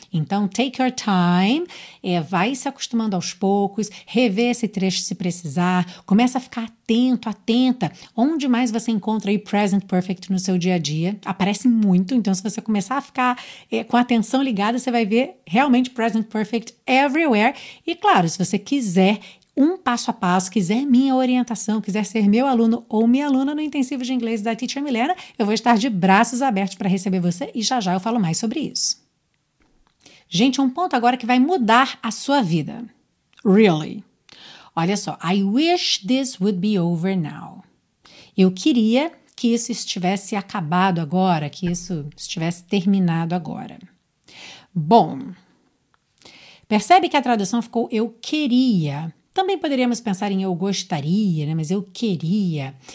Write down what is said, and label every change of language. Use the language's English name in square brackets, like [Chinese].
[Portuguese] Então, [English] take your time, [Portuguese] vai se acostumando aos poucos, revê esse trecho se precisar, começa a ficar atento, atenta, onde mais você encontra aí present perfect no seu dia a dia, aparece muito, então se você começar a ficar com a atenção ligada, você vai ver realmente present perfect everywhere, e claro, se você quiser um passo a passo, quiser minha orientação, quiser ser meu aluno ou minha aluna no intensivo de inglês da Teacher Milena, eu vou estar de braços abertos para receber você, e já já eu falo mais sobre isso. Gente, um ponto agora que vai mudar a sua vida. [English] Really. [Portuguese] Olha só. [English] I wish this would be over now. [Portuguese] Eu queria que isso estivesse acabado agora, que isso estivesse terminado agora. Bom, Percebe que a tradução ficou eu queria. Também poderíamos pensar em eu gostaria, né? Mas eu queria.